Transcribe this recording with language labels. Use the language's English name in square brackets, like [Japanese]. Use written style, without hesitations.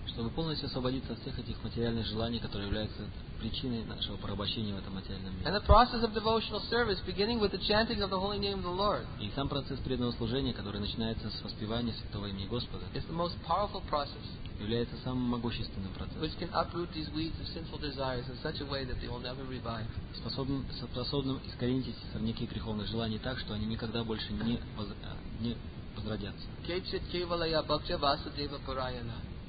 [Russian] Чтобы полностью освободиться от всех этих материальных желаний, которые являются причиной нашего порабощения в этом материальном мире. [English] And the process of devotional service, beginning with the chanting of the holy name of the Lord. [Russian] И сам процесс преданного служения, который начинается с воспевания святого имени Господа. [English] It's the most powerful process. [Russian] Является самым могущественным процессом. [English] Which can uproot these weeds of sinful desires in such a way that they will never revive. [Russian] Способным искоренить эти сорняки греховных желаний так, что они никогда больше не возродятся. [Sanskrit] Кечит кевалая бхакча васудева парайана.